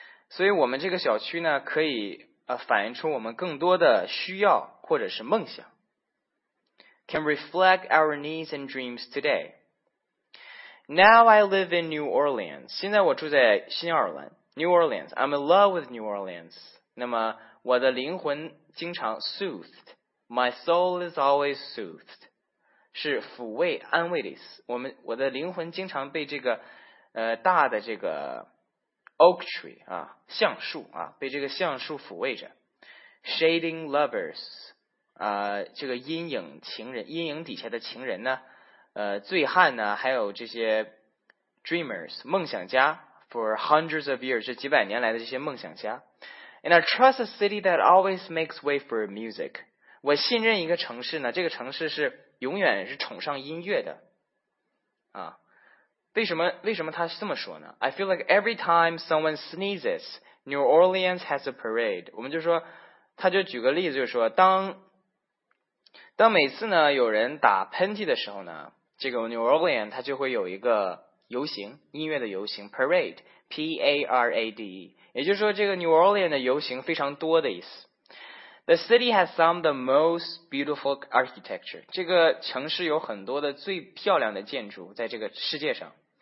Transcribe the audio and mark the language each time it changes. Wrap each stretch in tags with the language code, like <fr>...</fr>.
<zh>所以我们这个小区呢，可以反映出我们更多的需要或者是梦想。</zh> <en>Can reflect our needs and dreams today. Now I live in New Orleans.</en> <zh>现在我住在新奥尔兰 New Orleans.</zh> <en>I'm in love with New Orleans.</en> <zh>那么我的灵魂经常 soothed.</zh> <en>My soul is always soothed.</en> <zh>是抚慰安慰的意思。我的灵魂经常被这个大的这个 oak tree, 啊橡树啊被这个橡树抚慰着。</zh> <en>Shading lovers.</en> <zh>这个阴影情人阴影底下的情人呢醉汉呢还有这些 dreamers, 梦想家</zh> <en>for hundreds of years,</en> <zh>这几百年来的这些梦想家。</zh> <en>And I trust a city that always makes way for music.</en> <zh>我信任一个城市呢这个城市是永远是崇尚音乐的。啊为什么他这么说呢</zh> <en>?I feel like every time someone sneezes, New Orleans has a parade.</en> <zh>我们就说他就举个例子就是说当每次呢有人打喷嚏的时候呢这个 New Orleans 它就会有一个游行音乐的游行 Parade P-A-R-A-D 也就是说这个 New Orleans 的游行非常多的意思</zh> <en>The city has some of the most beautiful architecture</en> <zh>这个城市有很多的最漂亮的建筑在这个世界上</zh>